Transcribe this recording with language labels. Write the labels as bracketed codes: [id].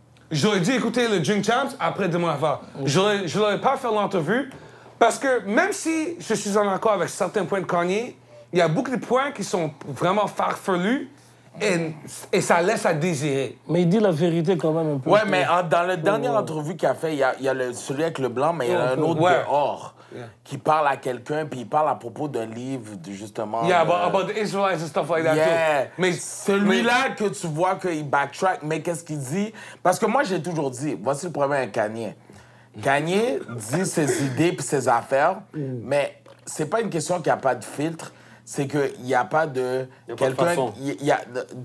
[fr] J'aurais dû écouter le Drink Champs après de mon affaire. Je l'aurais pas fait l'entrevue, parce que même si je suis en accord avec certains points de Kanye, il y a beaucoup de points qui sont vraiment farfelus, et ça laisse à désirer. Mais il dit la vérité quand même un peu. Ouais, mais dans la dernière entrevue qu'il a fait, il y a celui avec le blanc, mais il y a un autre dehors. [en] Yeah. [fr] Qui parle à quelqu'un, puis il parle à propos d'un livre, justement. [en] Yeah, about the Israelites and stuff like that, too. [fr] Mais celui-là que tu vois qu'il backtrack, mais qu'est-ce qu'il dit? Parce que moi, j'ai toujours dit, voici le problème avec Kanye. Kanye dit ses idées puis ses affaires, mais c'est pas une question qu'il n'y a pas de filtre, c'est qu'il n'y a pas de... quelqu'un n'y a pas de façon.